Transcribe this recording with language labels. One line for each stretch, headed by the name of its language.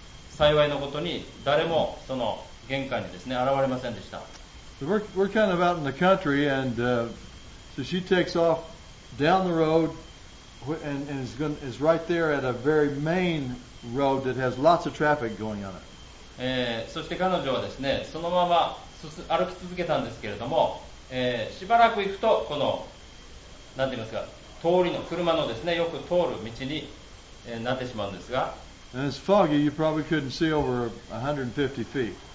Japanese: 幸いのことに誰もその玄関にですね現れませんでした
English: so we're kind of out in the country and so she takes off down the road and is right there at a very main road that has lots of traffic going on it
Japanese: そして彼女はですね、そのまま歩き続けたんですけれども、しばらく行くとこの何て言いますか、通りの車のですね、よく通る道に、なってしまうんですが、
English: And it's foggy, you probably couldn't see over 150 feet.